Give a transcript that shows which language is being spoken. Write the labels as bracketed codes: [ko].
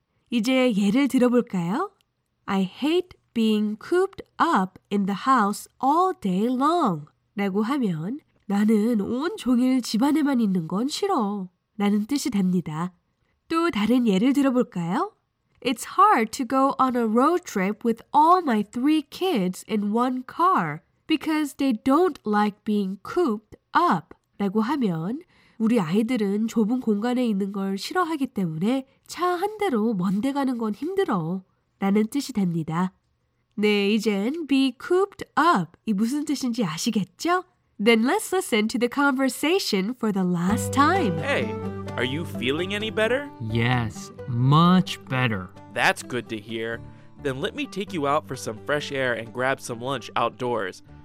[ko] 이제 예를 들어볼까요? [en] I hate being cooped up in the house all day long [ko] 라고 하면 나는 온종일 집안에만 있는 건 싫어 라는 뜻이 됩니다. 또 다른 예를 들어볼까요? [en] It's hard to go on a road trip with all my three kids in one car because they don't like being cooped up. [ko] 라고 하면 우리 아이들은 좁은 공간에 있는 걸 싫어하기 때문에 차 한 대로 먼 데 가는 건 힘들어 라는 뜻이 됩니다. 네, 이젠 be cooped up 이 무슨 뜻인지 아시겠죠? [en] Then let's listen to the conversation for the last time. Hey, are you feeling any better? Yes, much better. That's good to hear. Then let me take you out for some fresh air and grab some lunch outdoors.